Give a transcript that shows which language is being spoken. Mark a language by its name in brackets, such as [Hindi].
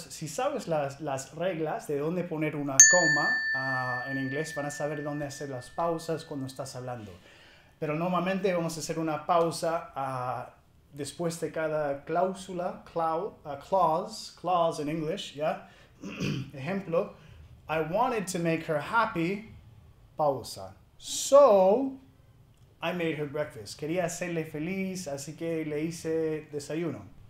[Spanish] Si sabes las reglas de dónde poner una coma en inglés, van a saber dónde hacer las pausas cuando estás hablando. Pero normalmente vamos a hacer una pausa después de cada cláusula, clause en inglés, ¿ya? [English] Ejemplo, I wanted to make her happy, pausa. So, I made her breakfast. [Spanish] Quería hacerle feliz, así que le hice desayuno.